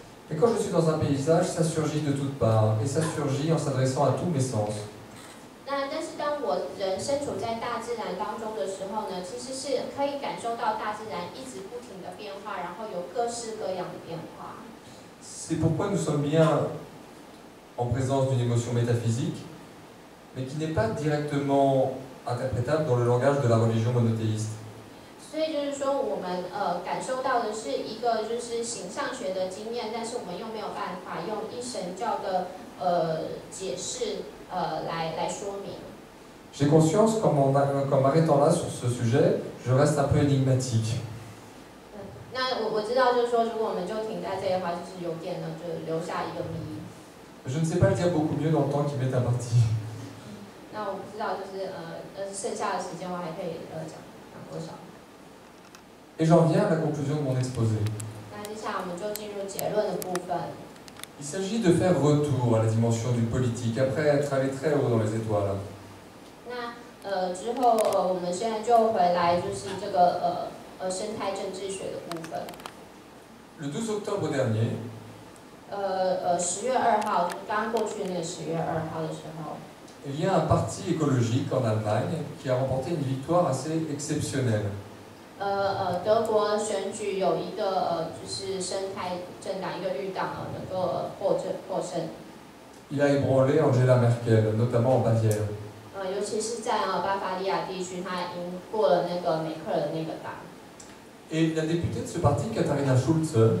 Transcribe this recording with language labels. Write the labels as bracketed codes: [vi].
[fr] Et quand je suis dans un paysage, ça surgit de toutes parts, et ça surgit en s'adressant à tous mes sens. [zh] 那但是当我人身处在大自然当中的时候呢，其实是可以感受到大自然一直不停的变化，然后有各式各样的变化。 [fr] C'est pourquoi nous sommes bien en présence d'une émotion métaphysique, mais qui n'est pas directement interprétable dans le langage de la religion monothéiste. [zh] 所以就是说，我们感受到的是一个就是形上学的经验，但是我们又没有办法用一神教的解释来说明。 [fr] J'ai conscience qu'en m'arrêtant là sur ce sujet, je reste un peu énigmatique. [zh] 那我知道，就是说，如果我们就停在这里的话，就是有点呢，就留下一个谜。 [fr] Je ne sais pas le dire beaucoup mieux dans le temps qui m'est imparti. [zh] 那我不知道，就是剩下的时间我还可以讲多少。 [fr] Et j'en viens à la conclusion de mon exposé. Il s'agit de faire retour à la dimension d'une politique après être allé très haut dans les étoiles. [zh] 那之后我们现在就回来就是这个生态政治学的部分。 [fr] Le 12 octobre dernier. [zh] 十月二号，刚过去那个十月二号的时候。 [fr] Il y a un parti écologique en Allemagne qui a remporté une victoire assez exceptionnelle. [zh] 德国选举有一个就是生态政党一个绿党能够获胜。 [fr] Il a ébranlé Angela Merkel, notamment en Bavière. [zh] 尤其是在巴伐利亚地区，他赢过了那个梅克尔的那个党。 [fr] Et la députée de ce parti, Katharina Schulz.